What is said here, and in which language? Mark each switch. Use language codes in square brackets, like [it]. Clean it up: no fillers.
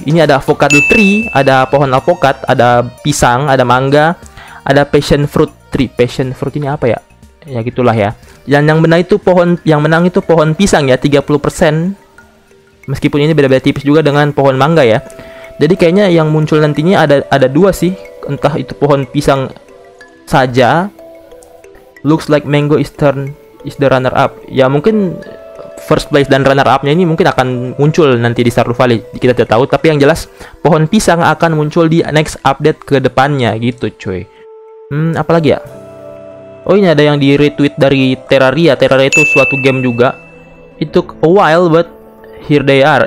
[id] Ini ada avocado tree, ada pohon avokat, ada pisang, ada mangga, ada passion fruit tree. Passion fruit ini apa ya? Ya gitulah ya. Dan yang menang itu pohon, yang menang itu pohon pisang ya, 30%. Meskipun ini beda-beda tipis juga dengan pohon mangga ya. Jadi kayaknya yang muncul nantinya ada dua sih. Entah itu pohon pisang saja. [en] Looks like mango is the runner up. [id] Ya mungkin first place dan runner up-nya ini mungkin akan muncul nanti di Stardew Valley. Kita tidak tahu, tapi yang jelas pohon pisang akan muncul di next update ke depannya gitu, cuy. Apalagi ya? Oh, ini ada yang di retweet dari Terraria. Terraria itu suatu game juga. [en] It took a while, but here they are.